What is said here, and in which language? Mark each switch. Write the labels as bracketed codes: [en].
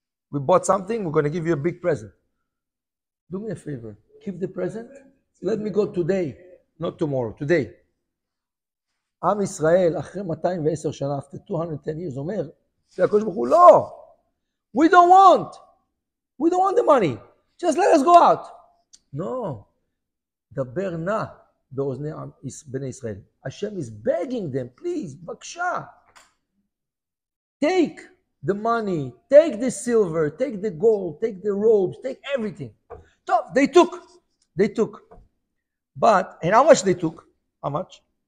[en] We bought something, we're going to give you a big present. Do me a favor, keep the present. Let me go today, not tomorrow, today. [he] עם ישראל אחרי 210 שנה, [en] after 210 years, [he] אומר, והקדוש ברוך הוא, לא, [en] we don't want the money, just let us go out. [he] No, דבר נא באוזני בני ישראל. [en] Hashem is begging them, please, בבקשה, take the money, take the silver, take the gold, take the robes, take everything. טוב, they took. But, and how much they took? How much?